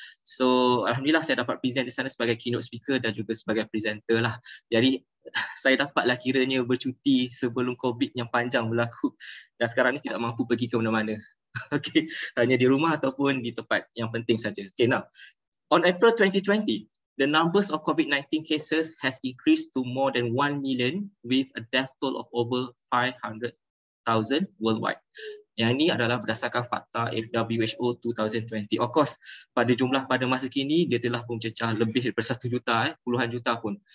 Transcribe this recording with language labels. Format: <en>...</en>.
<id>So alhamdulillah saya dapat present di sana sebagai keynote speaker dan juga sebagai presenter lah. Jadi saya dapatlah kiranya bercuti sebelum COVID yang panjang berlaku dan sekarang ni tidak mampu pergi ke mana-mana. Okay, hanya di rumah ataupun di tempat yang penting saja.</id> <en>Okay, now on April 2020, the numbers of COVID-19 cases has increased to more than 1 million with a death toll of over 500,000 worldwide.</en> <ms>Yang ini adalah berdasarkan fakta FWHO 2020.</ms> <en>Of course,</en> <ms>pada jumlah pada masa kini, dia telah pun cecah lebih daripada 1 juta, puluhan juta pun.</ms>